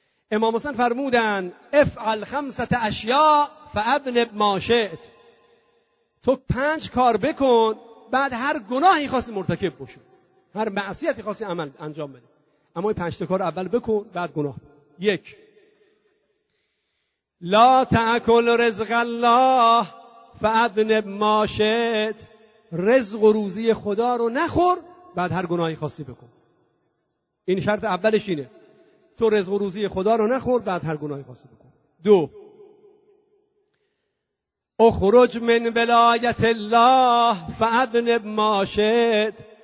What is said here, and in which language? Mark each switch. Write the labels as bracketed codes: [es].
[fa] امام حسین فرمودن [ar] افعل خمسه اشیاء فابنب ما شئت. [fa] تو پنج کار بکن، بعد هر گناهی خواستی مرتکب بشو، هر معصیتی خواستی عمل انجام بده، اما این پنج کار اول بکن بعد گناه. [ar] یک، لا تأکل رزق الله فأذنب ما شئت. [fa] رزق و روزی خدا رو نخور، بعد هر گناهی خواستی بکن. این شرط اولش اینه، تو رزق و روزی خدا رو نخور، بعد هر گناهی خواستی بکن. [ar] دو، اخرج من ولایت الله فأذنب ما شئت.